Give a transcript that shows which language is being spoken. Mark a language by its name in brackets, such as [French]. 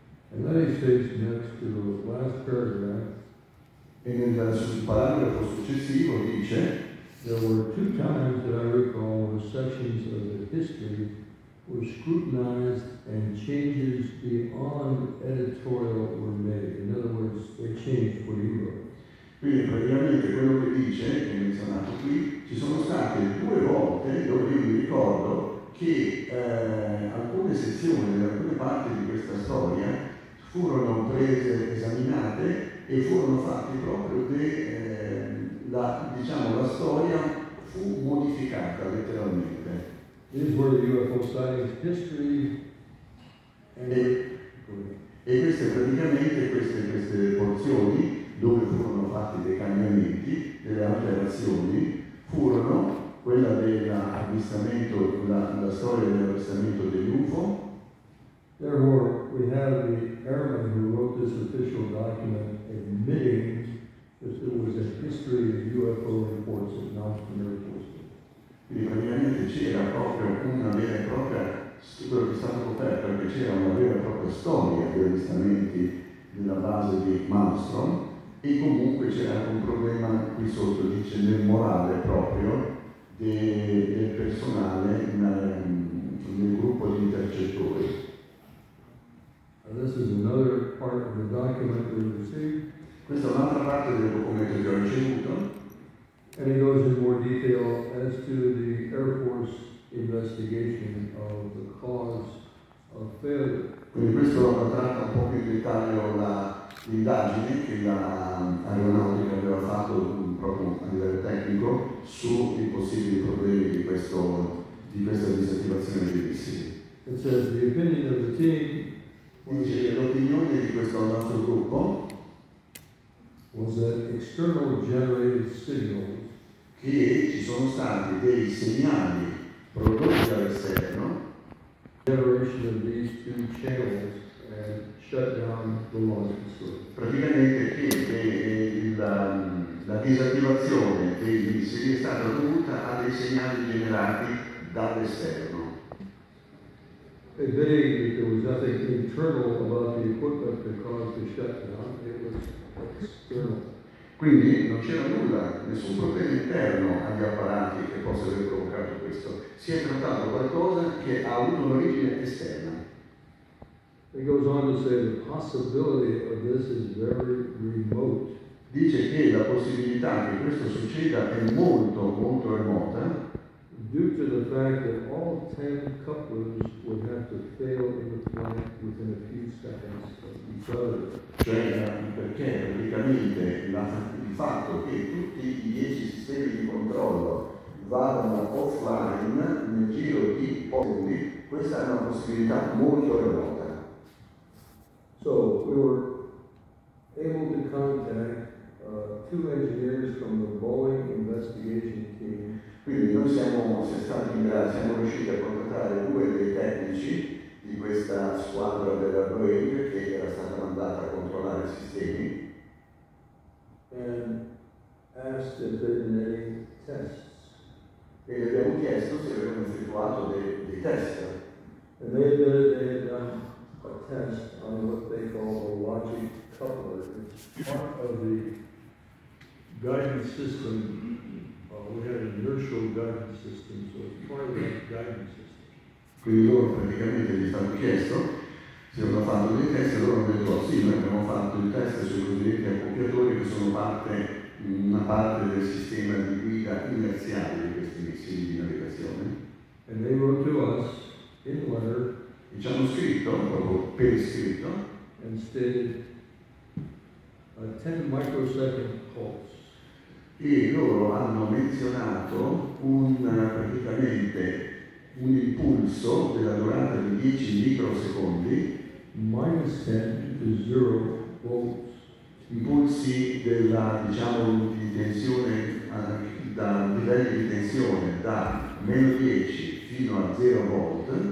[English] And then he states next to the last paragraph, [Italian] e nel paragrafo successivo dice: [English] there were two times that I recall when sections of the history were scrutinized and changes beyond editorial were made. In other words, they changed what he wrote. [Italian] Quindi praticamente quello che dice, che è menzionato qui, ci sono state due volte dove io mi ricordo che alcune sezioni, alcune parti di questa storia furono prese, esaminate e furono fatte proprio la storia fu modificata letteralmente. [English] These were the UFO sightings history. [Italian] E queste praticamente queste porzioni dove furono fatti dei cambiamenti, delle alterazioni, furono quella dell'avvistamento, la storia dell'avvistamento dell'UFO. [English] Therefore, we have the airman who wrote this official document admitting that there was a history of UFO reports and not an air force. [Italian] Quindi praticamente c'era proprio una vera e propria, quello che è stato coperto, perché c'era una vera e propria storia di avvistamenti nella base di Malmstrom. E comunque c'era anche un problema qui sotto, dice, nel morale proprio del personale nel gruppo di intercettori. [English] This is another part of the document we received. [Italian] Questa è un'altra parte del documento che ho ricevuto. [English] And it goes in more detail as to the Air Force investigation of the cause of failure. [Italian] Quindi questo tratta un po' più in dettaglio l'indagine che l'aeronautica aveva fatto proprio a livello tecnico sui possibili problemi di questa disattivazione dei missili. [English] It says the opinion of the team. [Italian] Dice che l'opinione di questo nostro gruppo [English] was that external generated signals [Italian] che ci sono stati dei segnali prodotti dall'esterno [English] generation of these two channels and shut down the launching circuit. [Italian] Praticamente la disattivazione dei missili è stata dovuta a dei segnali generati dall'esterno. [English] Admitting that there was nothing internal about the equipment that caused the shutdown, it was external. [Italian] Quindi non c'era nulla, nessun problema interno agli apparati che possa aver provocato questo. Si è trattato di qualcosa che ha avuto un'origine esterna. [English] It goes on to say the possibility of this is very remote. [Italian] Dice che la possibilità che questo succeda è molto, molto remota. [English] Due to the fact that all 10 couplers would have to fail in the flight within a few seconds of each other. [Italian] Cioè, perché praticamente il fatto che tutti i 10 sistemi di controllo vadano offline nel giro di pochi, questa è una possibilità molto remota. [English] So we were able to contact two engineers from the Boeing investigation team. [Italian] Quindi noi siamo riusciti a contattare due dei tecnici di questa squadra della Boeing che era stata mandata a controllare i sistemi. [English] And asked if there were any tests. [Italian] E gli abbiamo chiesto se avevano effettuato dei test. [English] And they admitted they had done a test on what they call a logic coupler. It's part of the guidance system. We had an inertial guidance system, so it's part of that guidance system. [Italian] Quindi loro praticamente gli stanno chiesto se hanno fatto dei test, loro hanno detto sì, noi abbiamo fatto dei test sui cosiddetti accoppiatori che sono una parte del sistema di guida inerziale di questi missili di navigazione. [English] And they wrote to us in letter. [Italian] E ci hanno scritto, proprio per iscritto. [English] And stated a 10 microsecond pulse. [Italian] E loro hanno menzionato praticamente un impulso della durata di 10 microsecondi, [English] minus 10 to 0 volts. [Italian] Impulsi della, diciamo, di tensione, da livelli di tensione da meno 10 fino a 0 volt,